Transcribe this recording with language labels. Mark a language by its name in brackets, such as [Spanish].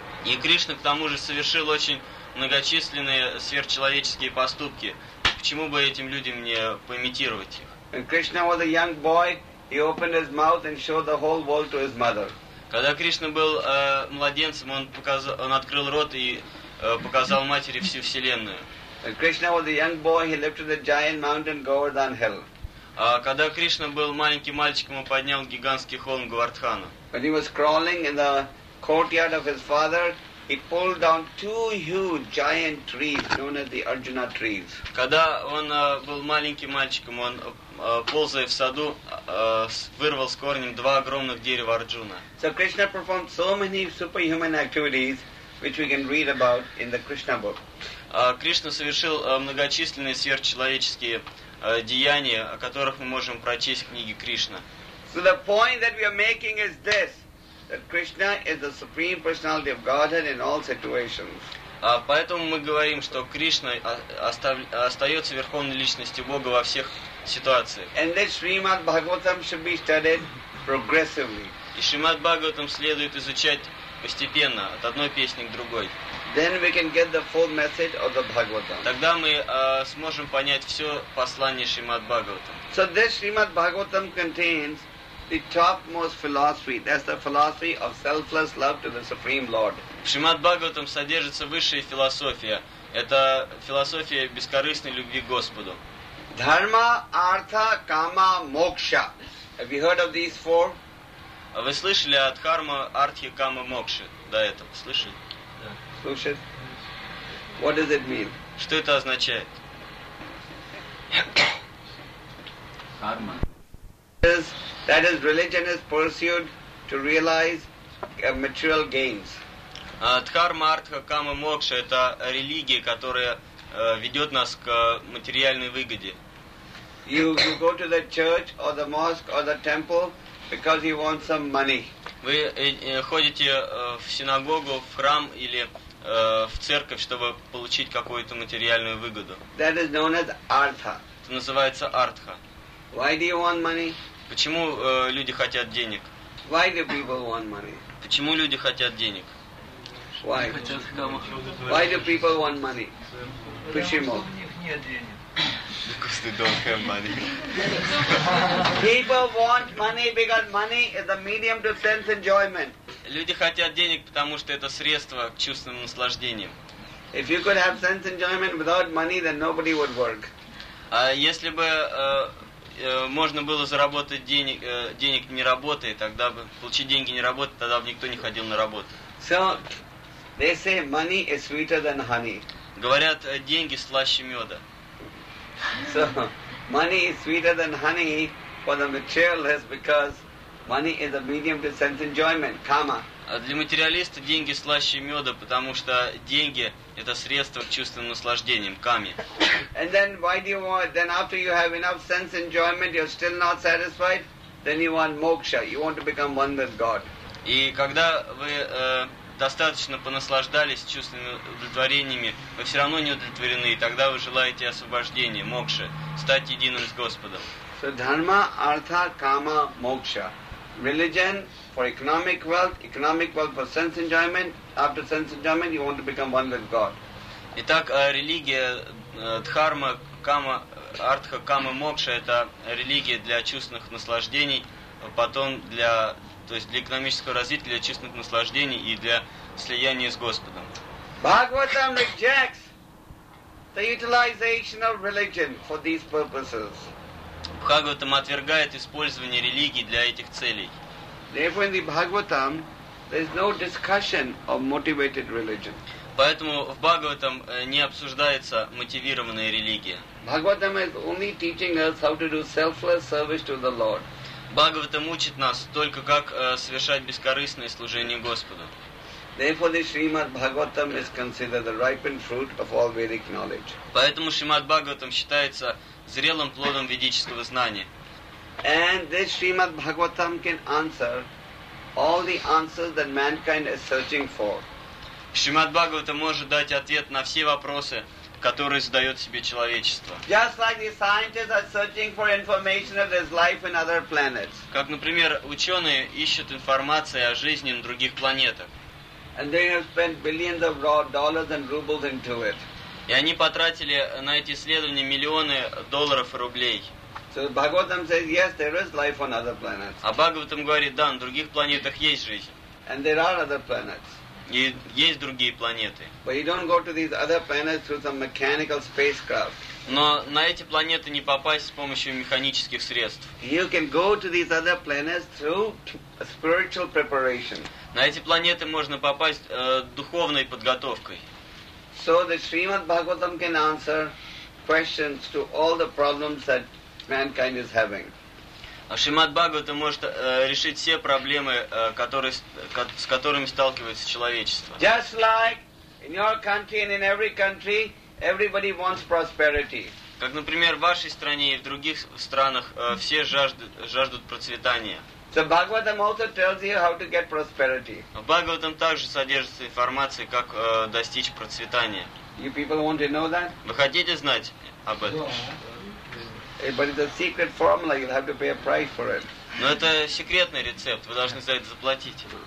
[Russian] И Кришна к тому же совершил очень многочисленные сверхчеловеческие поступки. Почему бы этим людям не поимитировать их? [English] When Krishna was a young boy, he opened his mouth and showed the whole world to his mother. [Russian] Когда Кришна был младенцем, он открыл рот и показал матери всю вселенную. [English] When Krishna was a young boy, he lifted the giant mountain Govardhan Hill. [Russian] А когда Кришна был маленьким мальчиком, он поднял гигантский холм Говардхана. [English] When he was crawling in the courtyard of his father, he pulled down two huge giant trees known as the Arjuna trees. [Russian] Когда он был маленьким мальчиком, он ползая в саду, вырвал с корнем два огромных дерева Арджуна. [English] So Krishna performed so many superhuman activities, which we can read about in the Krishna book. [Russian] Кришна совершил многочисленные сверхчеловеческие деяния, о которых мы можем прочесть в книге Кришна. [English] So the point that we are making is this, that Krishna is the supreme personality of Godhead in all situations. [Russian] Поэтому мы говорим, что Кришна остается верховной личностью Бога во всех ситуациях. [English] And this Srimad Bhagavatam should be studied progressively. [Russian] И Шримад Бхагаватам следует изучать постепенно, от одной песни к другой. [English] Then we can get the full message of the Bhagavatam. [Russian] Тогда мы сможем понять все послание Шримад Бхагаватам. [English] So this Srimad Bhagavatam contains the topmost philosophy. That's the philosophy of selfless love to the Supreme Lord. [Russian] В Шримад Бхагаватам содержится высшая философия. Это философия бескорыстной любви к Господу. [English] Dharma, Artha, Kama, Moksha. Have you heard of these four? [Russian] Вы слышали о дхарме, артхе, каме, мокше до этого? Слышали? Да. Слышали? [English] What does it mean? [Russian] Что это означает? Карма. [English] That is religion is pursued to realize material gains. [Russian] Дхарма, артха, каме, мокше – это религия, которая ведет нас к материальной выгоде. [English] You go to the church or the mosque or the temple because you want some money. [Russian] Вы ходите в синагогу, в храм или в церковь, чтобы получить какую-то материальную выгоду. [English] That is known as artha. [Russian] Это называется артха. [English] Why do you want money? [Russian] Почему люди хотят денег? [English] Why do people want money? [Russian] Почему люди хотят денег? [English] Why? Why do people want money? [Russian] Почему? [English] Because they don't have money. People want money because money is a medium to sense enjoyment. [Russian] Люди хотят денег, потому что это средство к чувственным наслаждениям. [English] If you could have sense enjoyment without money, then nobody would work. [Russian] А если бы можно было заработать денег, денег не работая, тогда бы получить деньги не работая, тогда бы никто не ходил на работу. [English] So they say money is sweeter than honey. [Russian] Говорят, деньги слаще меда. [English] So money is sweeter than honey for the materialist because money is a medium to sense enjoyment, kama. [Russian] А для материалиста деньги слаще меда, потому что деньги это средство к чувственным наслаждениям, каме. [English] And then why do you want? Then after you have enough sense enjoyment, you're still not satisfied. Then you want moksha. You want to become one with God. [Russian] И когда вы достаточно понаслаждались чувственными удовлетворениями, вы все равно не удовлетворены, и тогда вы желаете освобождения, мокши, стать единым с Господом. [English] So dharma, artha, kama, moksha. Religion for economic wealth for sense enjoyment. After sense enjoyment, you want to become one with God. [Russian] Итак, религия дхарма, кама, артха, кама, мокша — это религия для чувственных наслаждений, потом для, то есть для экономического развития, для чувственных наслаждений и для слияния с Господом. [English] Bhagavatam rejects the utilization of religion for these purposes. [Russian] Бхагаватам отвергает использование религии для этих целей. [English] Therefore, in the Bhagavatam, there is no discussion of motivated religion. [Russian] Поэтому в Бхагаватам не обсуждается мотивированная религия. [English] Bhagavatam is only teaching us how to do selfless service to the Lord. [Russian] Бхагаватам учит нас только как совершать бескорыстное служение Господу. [English] Therefore, the Srimad Bhagavatam is considered the ripened fruit of all Vedic knowledge. [Russian] Поэтому Шримад Бхагаватам считается зрелым плодом ведического знания. [English] And this Srimad Bhagavatam can answer all the answers that mankind is searching for. [Russian] Шримад Бхагаватам может дать ответ на все вопросы, которые задает себе человечество. [English] Just like the scientists are searching for information of this life in other planets. [Russian] Как, например, ученые ищут информацию о жизни на других планетах. [English] And they have spent billions of dollars and rubles into it. [Russian] И они потратили на эти исследования миллионы долларов и рублей. [English] So Bhagavatam says, yes, there is life on other planets. [Russian] А Бхагаватам говорит, да, на других планетах есть жизнь. [English] And there are other planets. [Russian] И есть другие планеты. [English] But you don't go to these other planets through some mechanical spacecraft. [Russian] Но на эти планеты не попасть с помощью механических средств. [English] You can go to these other planets through spiritual preparation. [Russian] На эти планеты можно попасть духовной подготовкой. [English] So the Srimad Bhagavatam can answer questions to all the problems that mankind is having. [Russian] Шримад Бхагаватам может решить все проблемы, с которыми сталкивается человечество. [English] Just like in your country and in every country, everybody wants prosperity. [Russian] Как, например, в вашей стране и в других странах все жаждут процветания. [English] So Bhagavatam also tells you how to get prosperity. [Russian] В Бхагаватам также содержится информация, как достичь процветания. [English] You people want to know that? [Russian] Вы хотите знать об этом? [English] But it's a secret formula. You'll have to pay a price for it. [Russian] Но это секретный рецепт. Вы должны за это заплатить.